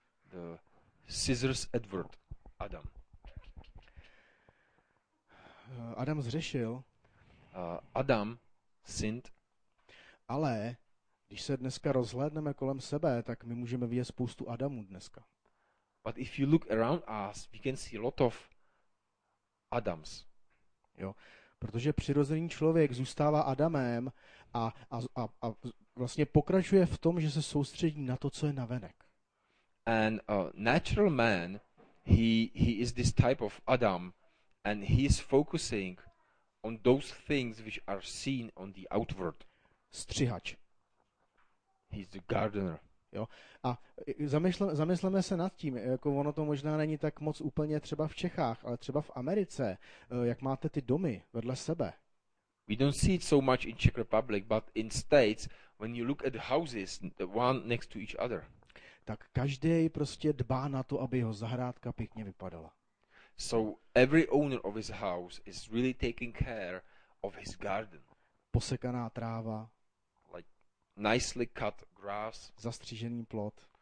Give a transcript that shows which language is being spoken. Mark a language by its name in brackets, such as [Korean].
[English] The scissors Edward. Adam. [Czech] Adam zřešil. [English] Adam sinned. [Czech] Ale když se dneska rozhlédneme kolem sebe, tak my můžeme vidět spoustu Adamů dneska. [English] But if you look around us, we can see a lot of Adams. [Czech] Jo, protože přirozený člověk zůstává Adamem a vlastně pokračuje v tom, že se soustředí na to, co je navenek. [English] And a natural man, he is this type of Adam, and he is focusing on those things which are seen on the outward. [Czech] Střihač. [English] He's the gardener. [Czech] Jo. A zamysleme se nad tím, jako ono to možná není tak moc úplně třeba v Čechách, ale třeba v Americe, jak máte ty domy vedle sebe. [English] We don't see it so much in Czech Republic, but in States, when you look at the houses, the one next to each other. [Czech] Tak každý prostě dbá na to, aby jeho zahrádka pěkně vypadala. [English] So every owner of his house is really taking care of his garden. [Czech] Posekaná tráva. [English] Like nicely cut grass. [Czech] Zastřižený plot.